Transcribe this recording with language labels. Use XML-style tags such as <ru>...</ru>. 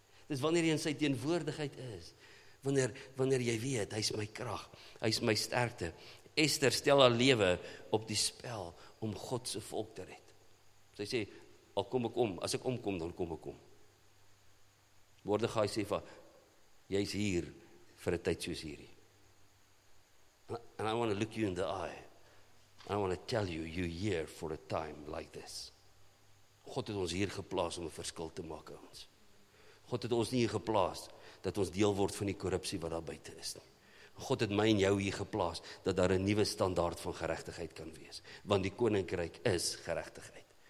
<af>Dis wanneer jy in sy teenwoordigheid is, wanneer jy weet, hy is my krag, hy is my sterkte. Esther stel haar lewe op die spel om God se volk te red. Sy sê, al kom ek om, as ek omkom, dan kom ek om. Mordegai sê, jy is hier vir 'n tyd soos hierdie.</af> <en>And I want to look you in the eye. I want to tell you, you're here for a time like this.</en> <af>God het ons hier geplaas om 'n verskil te maak aan ons. God het ons nie hier geplaas dat ons deel word van die korrupsie wat daar buite is. God het my en jou hier geplaas, dat daar 'n nuwe standaard van geregtigheid kan wees. Want die koninkryk is geregtigheid.</af>